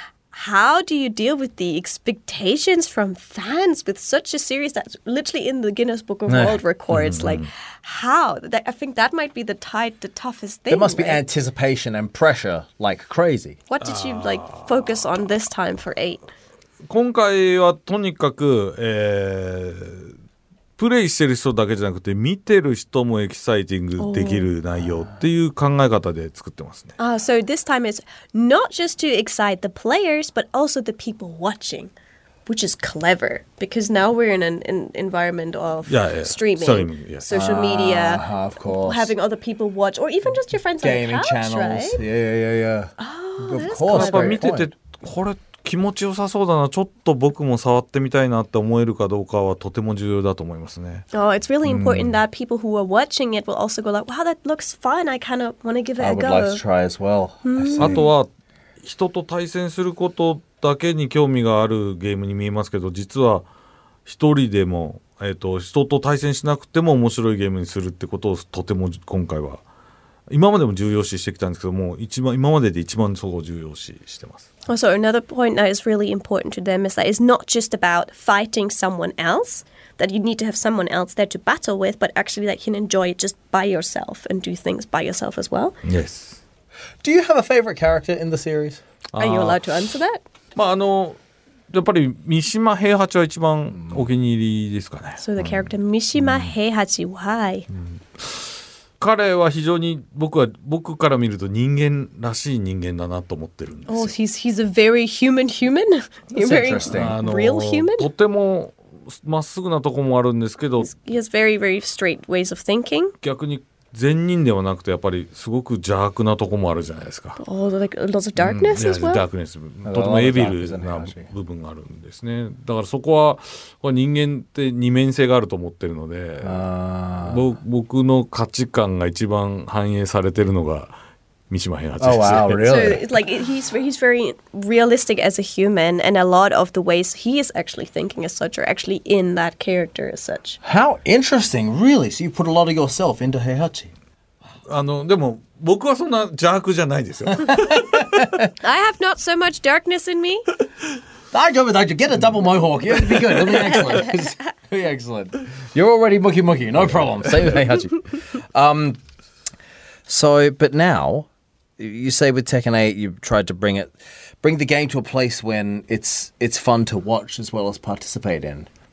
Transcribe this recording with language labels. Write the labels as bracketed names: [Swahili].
[English] How do you deal with the expectations from fans with such a series that's literally in the Guinness Book of World Records? Mm-hmm. Like, how? I think that might be the toughest thing. There must be anticipation and pressure like crazy. What did you like focus on this time for 8? [Japanese] 今回はとにかく、プレイしてる人だけじゃなくて見てる人もエキサイティングできる内容っていう考え方で作ってますね。 [English] Oh, so this time it's not just to excite the players, but also the people watching, which is clever, because now we're in an environment of streaming, social media, of course, having other people watch, or even just your friends gaming on the couch, channels, right? Yeah. Oh, that's clever. [Japanese] やっぱ見ててこれ気持ちよさそうだな。ちょっと僕も触ってみたいなって思えるかどうかはとても重要だと思いますね。 [English] Oh, it's really important that people who are watching it will also go like, wow, that looks fun. I kind of want to give it a go. I would like to try as well. [Japanese] あとは人と対戦することだけに興味があるゲームに見えますけど、実は一人でも、人と対戦しなくても面白いゲームにするってことをとても今回は今までも重要視してきたんですけども、今までで一番そこを重要視してます。 [English] Also, another point that is really important to them is that it's not just about fighting someone else, that you need to have someone else there to battle with, but actually that you can enjoy it just by yourself and do things by yourself as well. Yes. Do you have a favorite character in the series? Are you allowed to answer that? [Japanese] まあ、やっぱり三島平八は一番お気に入りですかね。 [English] So the character 三島平八、why? [Japanese] 彼は非常に僕から見ると人間らしい人間だなと思ってるんですよ。 [English] Oh, he's a very human. That's interesting. Real human? [Japanese] とてもまっすぐなとこもあるんですけど、 [English] He has very, very straight ways of thinking. [Japanese] 逆に善人ではなくてやっぱりすごく邪悪なとこもあるじゃないですか。 [English] Oh, like lots of darkness as well? Darkness. [Japanese] とてもエビルな部分があるんですね。だからそこは人間って二面性があると思ってるので、僕の価値観が一番反映されてるのが三島平八です。 [English] Oh, wow, really? So, like, he's very realistic as a human, and a lot of the ways he is actually thinking as such are actually in that character as such. How interesting, really? So you put a lot of yourself into Heihachi. [Japanese] でも僕はそんな邪悪じゃないですよ。 [English] I have not so much darkness in me. I don't. Get a double mohawk. It'll be good. It'll be excellent. You're already mucky mucky. No problem. Save Heihachi. So, but now, you say with Tekken 8, you tried to bring the game to a place when it's fun to watch as well as participate in.